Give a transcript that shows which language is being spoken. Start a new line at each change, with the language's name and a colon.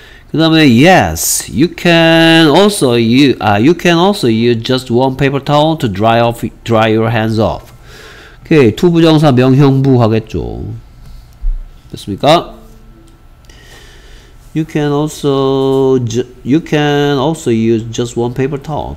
Korean: 그 다음에
English: yes you can also use just one paper towel to dry your hands off.
Korean: 오케이, 투부정사 명형부 하겠죠. 됐습니까?
English: You can also use just one paper towel.